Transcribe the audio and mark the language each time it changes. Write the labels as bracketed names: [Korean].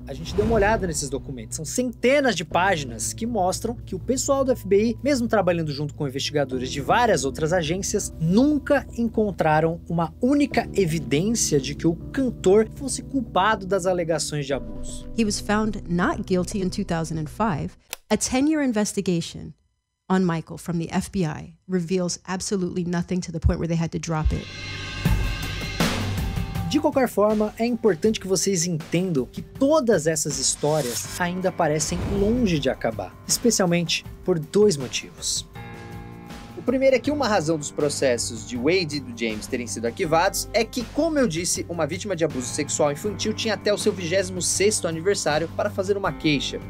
[Portuguese] A gente deu uma olhada nesses documentos, são centenas de páginas que mostram que o pessoal do FBI, mesmo trabalhando junto com investigadores de várias outras agências, nunca encontraram uma única evidência de que o cantor fosse culpado das alegações de abuso. [English] He was found not guilty in 2005. A 10-year investigation on Michael from the FBI reveals absolutely nothing to the point where they had to drop it. [Portuguese] De qualquer forma, é importante que vocês entendam que todas essas histórias ainda parecem longe de acabar, especialmente por dois motivos. O primeiro é que uma razão dos processos de Wade e do James terem sido arquivados é que, como eu disse, uma vítima de abuso sexual infantil tinha até o seu 26º aniversário para fazer uma queixa.